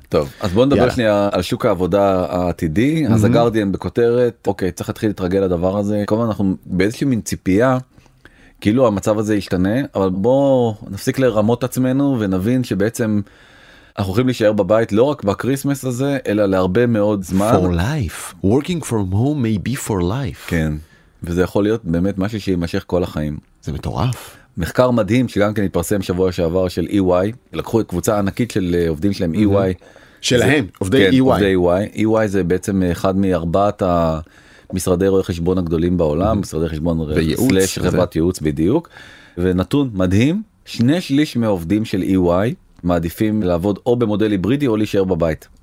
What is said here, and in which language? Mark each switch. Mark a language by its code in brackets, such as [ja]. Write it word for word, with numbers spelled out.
[he] טוב, אז בואו נדבר שנייה על שוק העבודה העתידי, אז הגרדיאן בכותרת, אוקיי, צריך להתחיל להתרגל לדבר הזה. כלומר, אנחנו באיזושהי מין ציפייה כאילו המצב הזה ישתנה, אבל בואו נפסיק לרמות עצמנו ונבין שבעצם אנחנו הולכים להישאר בבית לא רק בקריסמס הזה, אלא להרבה מאוד זמן. [en] For life. Working from home may be for life. [he] כן, וזה יכול להיות באמת משהו שימשך כל החיים. זה מטורף. מחקר מדהים שגם כן התפרסם שבוע שעבר של E Y, לקחו את קבוצה ענקית של עובדים שלהם E Y. שלהם, עובדי E Y. עובדי E Y. E Y זה בעצם אחד מארבעת המשרדי רואי חשבון הגדולים בעולם, משרדי חשבון סלש חברת ייעוץ בדיוק, ונתון מדהים, שני שליש מהעובדים של E Y מעדיפים לעבוד או במודל היברידי או להישאר בבית.